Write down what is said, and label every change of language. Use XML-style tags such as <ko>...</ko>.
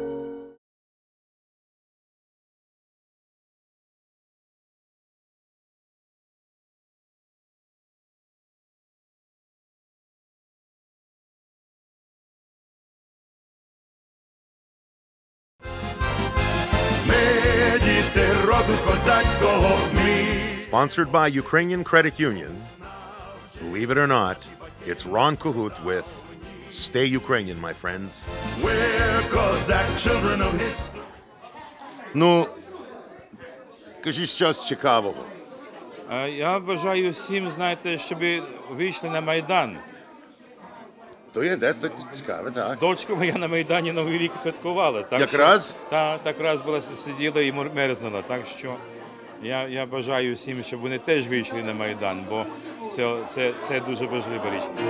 <uk>Ми діти роду козацького.</uk> <en>Sponsored by Ukrainian Credit Union, believe it or not, it's Ron Kahoot with Stay Ukrainian, my friends. We're Cossack children of history.</en> <uk>Ну, кажіть щось цікавого. Я бажаю всім, знаєте, щоб вийшли на Майдан. То є, де, то цікаве, так. Дочка моя на Майдані Новий рік святкувала. Так, якраз? Так раз була, сиділа і мерзнула. Так що я бажаю всім, щоб вони теж вийшли на Майдан, бо це дуже важлива річ.</uk>